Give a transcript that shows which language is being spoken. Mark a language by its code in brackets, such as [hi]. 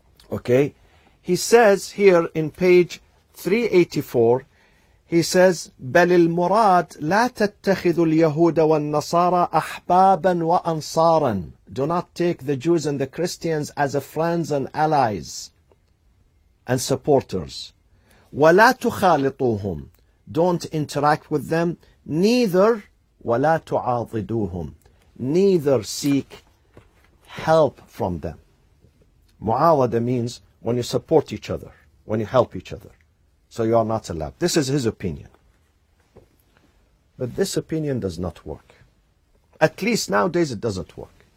[en] Okay, he says here in page 384, he says, [ar] بَلِ الْمُرَادِ لَا تَتَّخِذُ الْيَهُودَ وَالنَّصَارَ أَحْبَابًا وَأَنصَارًا. [en] Do not take the Jews and the Christians as friends and allies and supporters. [ar] وَلَا تُخَالِطُوهُمْ. [en] Don't interact with them. Neither, [ar] وَلَا تُعَاضِدُوهُمْ. [en] Neither seek help from them. مُعَاوَدَ means when you support each other, when you help each other. So you are not allowed. This is his opinion. But this opinion does not work. At least nowadays it doesn't work.